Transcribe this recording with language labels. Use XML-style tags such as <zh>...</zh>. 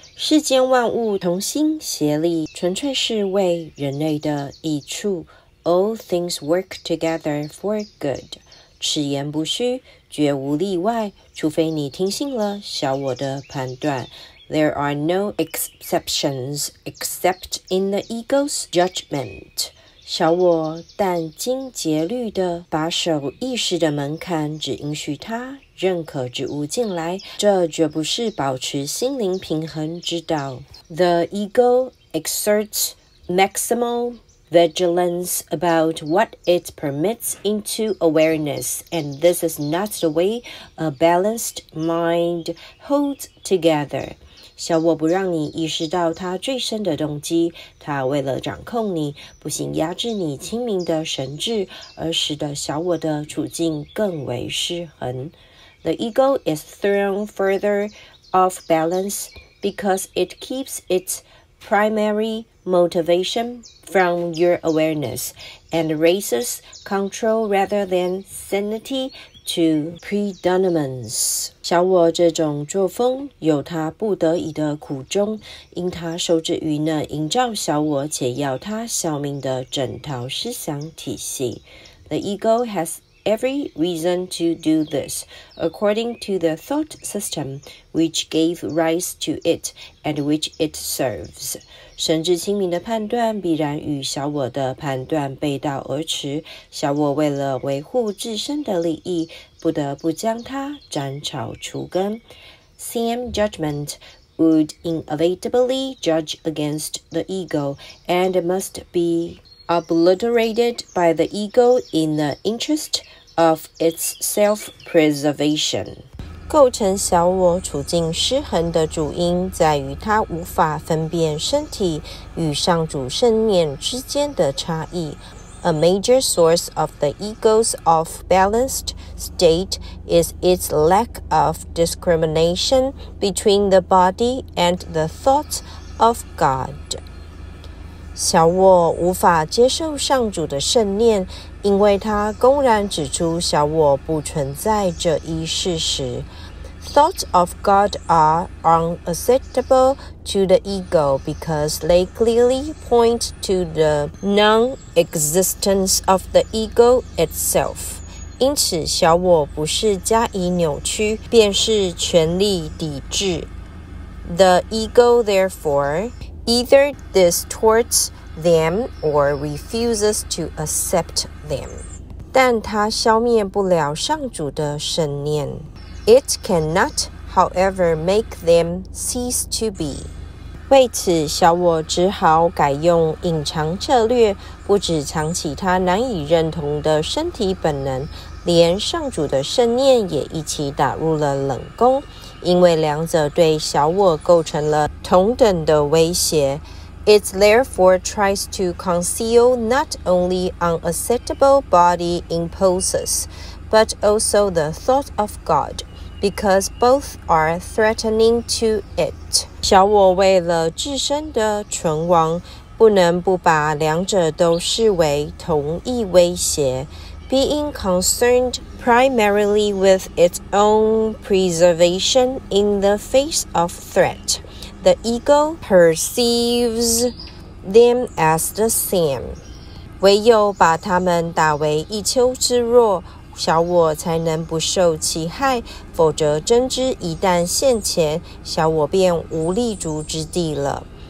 <zh>世间万物同心协力，纯粹是为人类的益处。</zh> <en>All things work together for good.</en> <zh>此言不虚，绝无例外，除非你听信了小我的判断。</zh> <en>There are no exceptions except in the ego's judgment.</en> <zh>小我殚精竭虑地把守意识的门槛，只允许它认可之物进来，这绝不是保持心灵平衡之道。</zh> <en>The ego exerts maximal vigilance about what it permits into awareness, and this is not the way a balanced mind holds together.</en> <zh>小我不让你意识到他最深的动机，他为了掌控你，不仅压制你清明的神智，而使得小我的处境更为失衡。</zh> <en>The ego is thrown further off balance because it keeps its primary motivation from your awareness and raises control rather than sanity to predominance.</en> <zh>小我这种作风有他不得已的苦衷，因他受制于那营造小我且要他效命的整套思想体系。</zh> <en>The ego has every reason to do this, according to the thought system which gave rise to it and which it serves.</en> <zh>神智清明的判断必然与小我的判断背道而驰，小我为了维护自身的利益，不得不将它斩草除根。</zh> <en>Same judgment would inevitably judge against the ego and must be obliterated by the ego in the interest of its self-preservation.</en> <zh>构成小我处境失衡的主因在于它无法分辨身体与上主圣念之间的差异。</zh> <en>A major source of the ego's off-balanced state is its lack of discrimination between the body and the thoughts of God.</en> <zh>小我无法接受上主的圣念，因为他公然指出小我不存在这一事实。</zh> <en>Thoughts of God are unacceptable to the ego because they clearly point to the non-existence of the ego itself.</en> <zh>因此小我不是加以扭曲，便是全力抵制。</zh> <en>The ego therefore either distorts them or refuses to accept them.</en> <zh>但它消灭不了上主的圣念。</zh> <en>It cannot, however, make them cease to be.</en> <zh>为此小我只好改用隐藏策略，不只藏起它难以认同的身体本能，连上主的圣念也一起打入了冷宫，因为两者对小我构成了同等的威胁。</zh> <en>It therefore tries to conceal not only unacceptable body impulses, but also the thought of God, because both are threatening to it.</en> <zh>小我为了自身的存亡，不能不把两者都视为同一威胁。</zh> <en>Being concerned primarily with its own preservation in the face of threat, the ego perceives them as the same.</en> <zh>唯有把他们打为一丘之貉，小我才能不受其害，否则真知一旦现前，小我便无立足之地了。</zh>